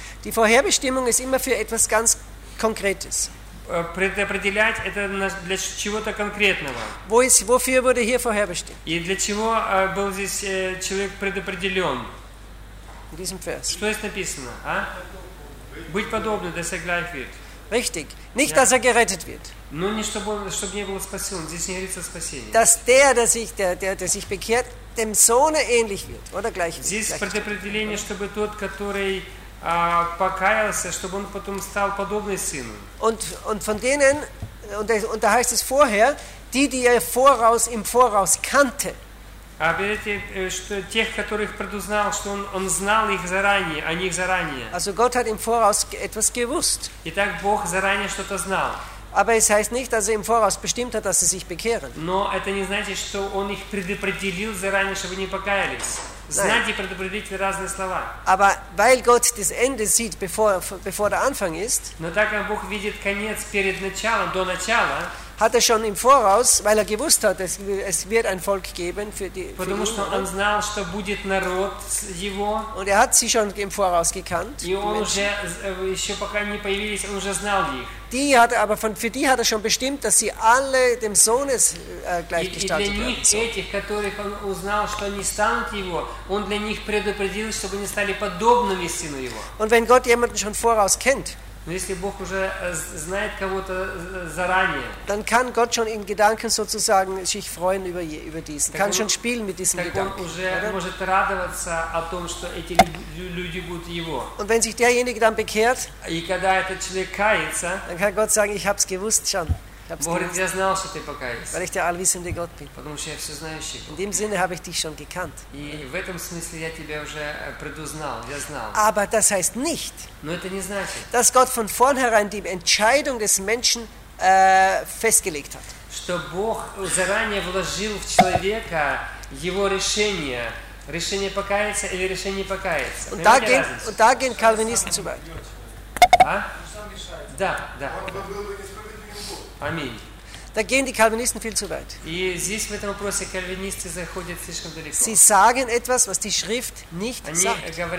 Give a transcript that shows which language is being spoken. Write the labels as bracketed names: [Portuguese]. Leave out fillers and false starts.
[German] Die Vorherbestimmung ist immer für etwas ganz Konkretes. [Russian] Предопределять это для чего-то конкретного. [German] Wofür wurde hier vorherbestimmt? [Russian] И для чего был здесь человек предопределен? [German] In diesem Vers. [Russian] Что здесь написано? А? Быть подобным, [German] dass er gleich wird. Richtig. Nicht, ja. dass er gerettet wird. [Russian] Но не чтобы не было спасен. Здесь не говорится о спасении. [German] Dass der sich bekehrt, dem Sohne ähnlich wird, oder gleich wird. [Russian] Здесь предопределение, чтобы тот, который покаялся, чтобы он потом стал подобный сыну. [German] Und von denen, und da heißt es vorher, die er im Voraus kannte. [Russian] А что тех, которых предузнал, что он знал их заранее, о них заранее. [German] Also Gott hat im Voraus etwas gewusst. [Russian] Итак, Бог заранее что-то знал. [German] Aber es heißt nicht, dass er im Voraus bestimmt hat, dass sie sich bekehren. [Russian] Но это не значит, что он их предопределил заранее, чтобы они покаялись. [German] Nein. [Russian] Знать и предупредить разные слова. [German] Aber weil Gott das Ende sieht, bevor der Anfang ist. [Russian] Но так как Бог видит конец перед началом, до начала. [German] Hat er schon im Voraus, weil er gewusst hat, es wird ein Volk geben für die. [Russian] Потому что он знал, что будет народ его. [German] Und er hat sie schon im Voraus gekannt. [Russian] И он уже еще пока не появились, он уже знал их. [German] Die hat er aber für die hat er schon bestimmt, dass sie alle dem Sohnes gleichgestellt werden. [Russian] И для них этих, которых он узнал, что они станут его, он для них предупредил, чтобы они стали подобными сыну его. [German] Und wenn Gott jemanden schon voraus kennt. [Russian] Но если Бог уже знает кого-то заранее, [German] dann kann Gott schon in Gedanken sozusagen sich freuen über diesen. Kann schon spielen mit diesem Gedanken. [Russian] Уже [German] oder? [Russian] Может радоваться о том, что эти люди будут его. [German] Und wenn sich derjenige dann bekehrt, [Russian] и когда этот человек кается, [German] dann kann Gott sagen, ich hab's gewusst schon. [Russian] Я знал, что ты покаялся. [German] Weil ich der allwissende Gott bin. [Russian] Потому что я все знающий. [German] In dem Sinne habe ich dich schon gekannt. [Russian] И в этом смысле я тебя уже предузнал, я знал. [German] Aber das heißt nicht. [Russian] Но это не значит. [German] Dass Gott von vornherein die Entscheidung des Menschen festgelegt hat. [Russian] Что Бог заранее вложил в человека его решение, решение покаяться или решение не покаяться. [German] Und da gehen Calvinisten zu weit. [Russian] А? Да, да. [German] Da gehen die Calvinisten viel zu weit. Sie sagen etwas, was die Schrift nicht sagt.